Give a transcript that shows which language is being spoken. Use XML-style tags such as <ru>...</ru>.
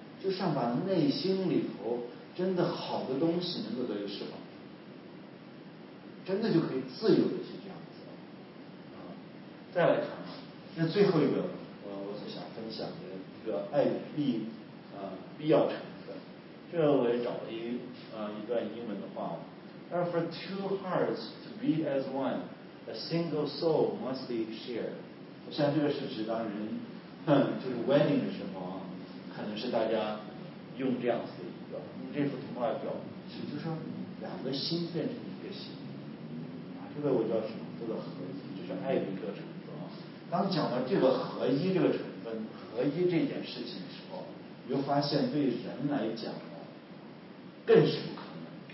<zh>就像把内心里头真的好的东西能够得以释放，真的就可以自由的去这样子啊。再来看啊，那最后一个，我所想分享的一个爱必必要成分，这个我也找了一段英文的话。</zh> <en>而 for two hearts to be as one, a single soul must be shared.</en> <zh>我想这个是指当人就是 wedding 的时候啊，可能是大家用这样子的一个表，用这幅图画表，实际上两个心变成一个心，啊，这个我叫什么？这个合一，就是爱的一个成分。当讲到这个合一这个成分，合一这件事情的时候，你就发现对人来讲更是不可能。</zh>